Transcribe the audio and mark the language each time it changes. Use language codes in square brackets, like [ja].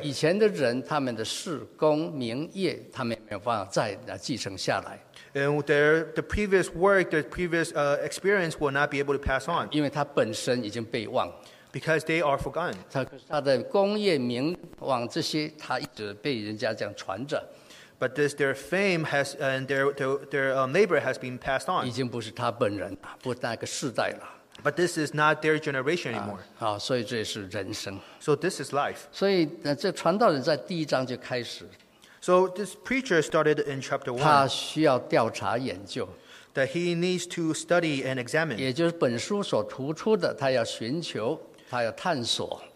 [zh] 以前的人他们的事功名业他们也没有办法再继承下来。 [en] And the previous work, the previous experience will not be able to pass on. [zh] 因为他本身已经被忘。 [en] Because they are forgotten. [zh] 他的功业名望这些他一直被人家这样传着。 [en] But this, their fame has, and their labor has been passed on. [zh] 已经不是他本人了，不那个世代了。 [en] But this is not their generation anymore. [zh] 所以这是人生。 [en] So this is life. [zh] 所以这传道人在第一章就开始。 [en] So this preacher started in chapter 1. [zh] 他需要调查研究。 [en] that he needs to study and examine. [zh] 也就是本书所突出的，他要寻求，他要探索。